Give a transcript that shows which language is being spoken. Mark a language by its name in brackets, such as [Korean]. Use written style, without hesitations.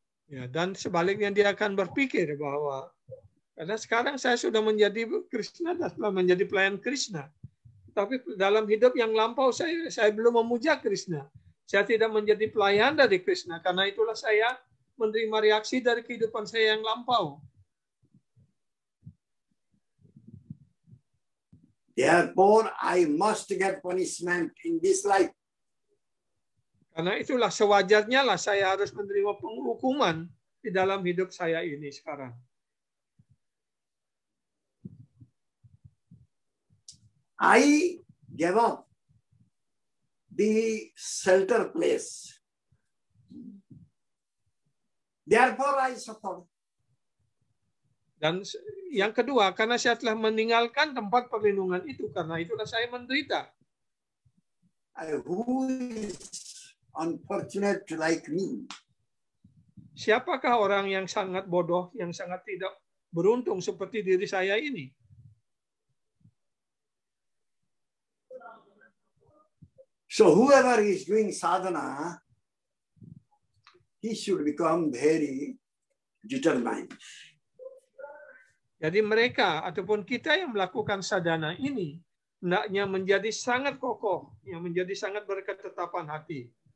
[Indonesian] Ya, dan sebaliknya dia akan berpikir bahwa Karena sekarang saya sudah menjadi Krishna dan sudah menjadi pelayan Krishna. Tapi dalam hidup yang lampau saya belum memuja Krishna. Saya tidak menjadi pelayan dari Krishna. Karena itulah saya menerima reaksi dari kehidupan saya yang lampau. [English] Therefore, I must get punishment in this life. [Indonesian] Karena itulah sewajarnya lah saya harus menerima penghukuman di dalam hidup saya ini sekarang. [English] I gave up the shelter place. Therefore, I suffer. [Indonesian] Dan yang kedua, karena saya telah meninggalkan tempat perlindungan itu, karena itulah saya menderita. [English] Who is unfortunate like me? [Indonesian] Siapakah orang yang sangat bodoh, yang sangat tidak beruntung seperti diri saya ini? [English] So whoever is doing sadhana, he should become very determined. [Indonesian] Jadi mereka ataupun kita yang melakukan sadhana ini hendaknya menjadi sangat kokoh, yang menjadi sangat berketetapan hati.